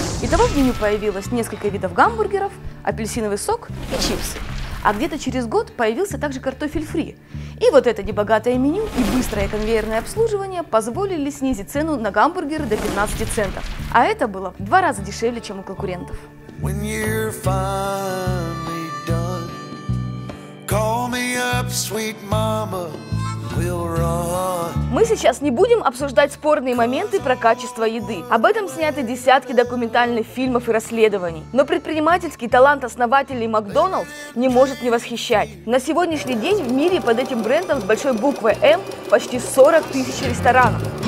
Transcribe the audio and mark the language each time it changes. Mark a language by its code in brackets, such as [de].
[ru] Итого в меню появилось несколько видов гамбургеров, апельсиновый сок и чипсы. А где-то через год появился также картофель фри. И вот это небогатое меню и быстрое конвейерное обслуживание позволили снизить цену на гамбургеры до 15 центов. А это было в 2 раза дешевле, чем у конкурентов. [en] When you're finally done, call me up, sweet mama, we'll run. [ru] Мы сейчас не будем обсуждать спорные моменты про качество еды. Об этом сняты десятки документальных фильмов и расследований. Но предпринимательский талант основателей McDonald's не может не восхищать. На сегодняшний день в мире под этим брендом с большой буквы М почти 40 тысяч ресторанов.